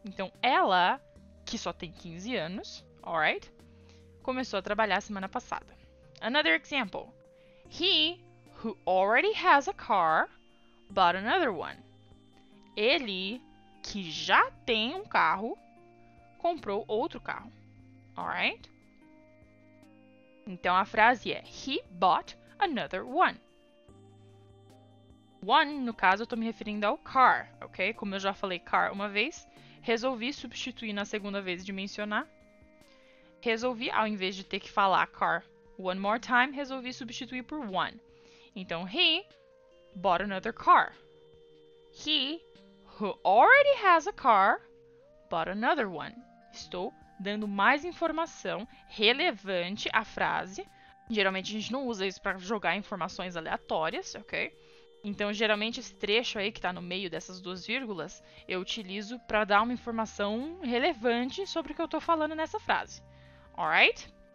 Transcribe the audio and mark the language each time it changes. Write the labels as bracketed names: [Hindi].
[Portuguese] Então, ela, que só tem 15 anos, [English] alright, [Portuguese] começou a trabalhar semana passada. [English] Another example. He, who already has a car, bought another one. [Portuguese] Ele, que já tem um carro, comprou outro carro. [English] Alright? [Portuguese] Então, a frase é, [English] he bought another one. [Portuguese] One, no caso, eu estou me referindo ao car, ok? Como eu já falei car uma vez, resolvi substituir na segunda vez de mencionar. Resolvi, ao invés de ter que falar car [English] one more time, [Portuguese] resolvi substituir por one. Então, [English] he bought another car. He, who already has a car, bought another one. [Portuguese] Estou dando mais informação relevante à frase. Geralmente, a gente não usa isso para jogar informações aleatórias, ok? Então, geralmente, esse trecho aí que está no meio dessas duas vírgulas, eu utilizo para dar uma informação relevante sobre o que eu estou falando nessa frase. [English] Alright?